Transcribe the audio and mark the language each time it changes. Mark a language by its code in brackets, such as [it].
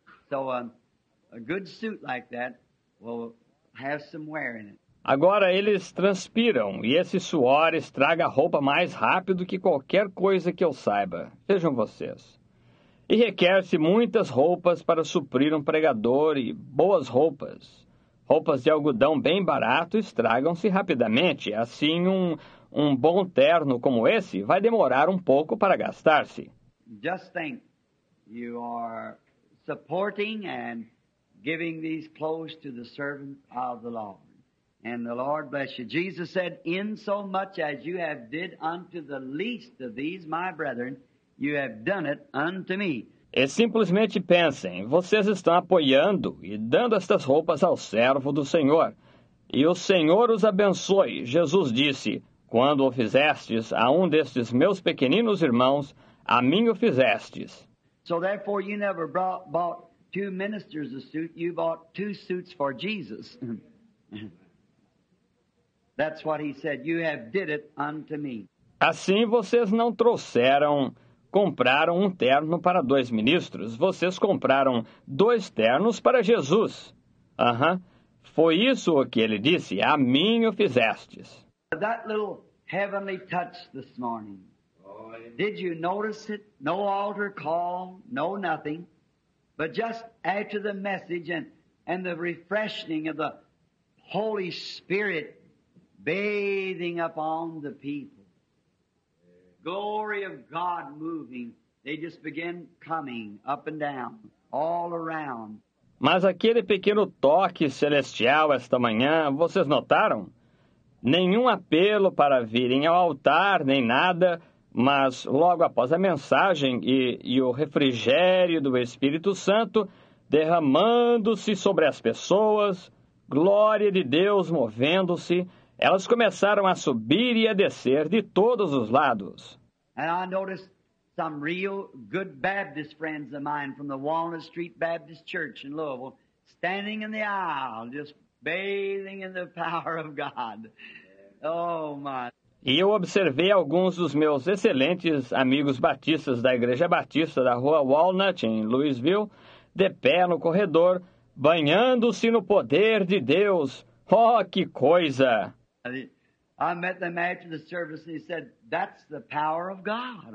[en] So a good suit like that will have some wear in it. [pt] Agora eles transpiram, e esse suor estraga a roupa mais rápido que qualquer coisa que eu saiba. Vejam vocês. E requer-se muitas roupas para suprir um pregador e boas roupas. Roupas de algodão bem barato estragam-se rapidamente. Assim, um bom terno como esse vai demorar um pouco para gastar-se. [en] Just think, you are supporting and giving these clothes to the servant of the Lord. And the Lord bless you. Jesus said, in so much as you have did unto the least of these, my brethren, you have done it unto me. [pt] E simplesmente pensem, vocês estão apoiando e dando estas roupas ao servo do Senhor. E o Senhor os abençoe. Jesus disse, quando o fizestes a um destes meus pequeninos irmãos, a mim o fizestes. [en] So therefore you never bought two ministers a suit, you bought two suits for Jesus. That's what he said, you have did it unto me. [pt] Assim vocês não trouxeram... Compraram um terno para dois ministros. Vocês compraram dois ternos para Jesus. Aham. Foi isso o que ele disse. A mim o fizestes. [en] That little heavenly touch this morning. Did you notice it? No altar call, no nothing. But just after the message and the refreshing of the Holy Spirit bathing upon the people. Glory of God moving. They just began coming up and down, all around. [pt] Mas aquele pequeno toque celestial esta manhã, vocês notaram? Nenhum apelo para virem ao altar, nem nada, mas logo após a mensagem e o refrigério do Espírito Santo, derramando-se sobre as pessoas, glória de Deus movendo-se, elas começaram a subir e a descer de todos os lados. [en] And I noticed some real good Baptist friends of mine from the Walnut Street Baptist Church in Louisville standing in the aisle, just bathing in the power of God. Oh my. [pt] E eu observei alguns dos meus excelentes amigos batistas da Igreja Batista da Rua Walnut, em Louisville, de pé no corredor, banhando-se no poder de Deus. Oh, que coisa! [en] I met them after the service and he said, "That's the power of God."